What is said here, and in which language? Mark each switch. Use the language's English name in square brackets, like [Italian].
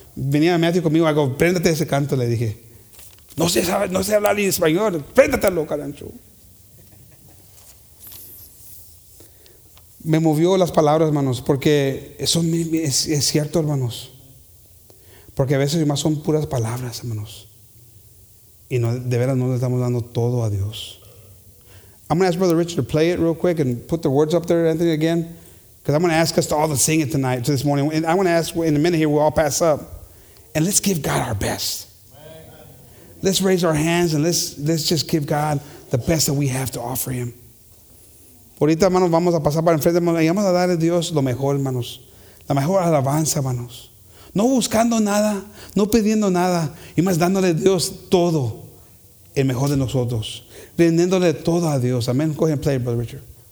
[Spanish] Venía Matthew conmigo, hago, préndate ese canto, le dije. No sé hablar en español, préndatelo, carancho. Me movió las palabras, hermanos, porque eso es cierto, hermanos. Porque a veces más son puras palabras, hermanos. Y no, de veras no le estamos dando todo a Dios. [English] I'm going to ask Brother Richard to play it real quick and put the words up there, Anthony, again. Because I'm going to ask us to all to sing it tonight, this morning. And I'm going to ask, in a minute here, we'll all pass up. And let's give God our best. Amen. Let's raise our hands and let's just give God the best that we have to offer Him. [Spanish] Ahorita, hermanos, vamos a pasar para enfrente, hermanos, y vamos a darle a Dios lo mejor, hermanos. La mejor alabanza, hermanos. No buscando nada, no pidiendo nada, y más dándole a Dios todo el mejor de nosotros. Rendiéndole todo a Dios. Amén. [English] Go ahead and play it, Brother Richard.